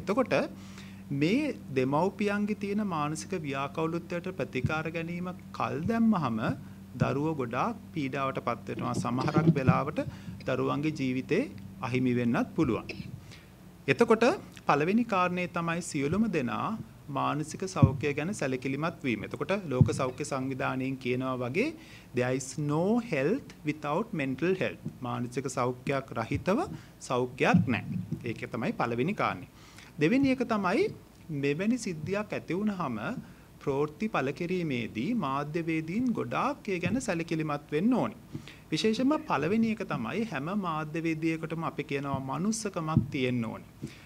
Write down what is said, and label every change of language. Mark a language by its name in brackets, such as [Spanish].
[Sinhala] එතකොට මේ දෙමව්පියන්ගේ තියෙන මානසික ව්‍යාකූලත්වයට ප්‍රතිකාර ගැනීම කල් දැම්මහම දරුවෝ ගොඩාක් පීඩාවටපත් වෙනවා. සමහරක් වෙලාවට දරුවන්ගේ ජීවිතේ අහිමි වෙන්නත් පුළුවන්. එතකොට පළවෙනි කාරණේ තමයි සියලුම දෙනා මානසික සෞඛ්‍ය ගැන සැලකිලිමත් වීම. එතකොට ලෝක සෞඛ්‍ය සංවිධානයෙන් කියනවා වගේ [English] there is no health without mental health. [Sinhala] මානසික සෞඛ්‍යයක් රහිතව සෞඛ්‍යයක් නැහැ. ඒකේ තමයි පළවෙනි කාරණේ. දෙවෙනි එක තමයි මෙවැනි සිද්ධියක් ඇති වුණාම ප්‍රවෘත්ති පළ කිරීමේදී මාධ්‍යවේදීන් ගොඩාක් ඒ ගැන සැලකිලිමත් වෙන්න ඕනේ. විශේෂයෙන්ම පළවෙනි එක තමයි හැම මාධ්‍යවේදියෙකුටම අපි කියනවා මනුස්සකමක් තියෙන්න ඕනේ.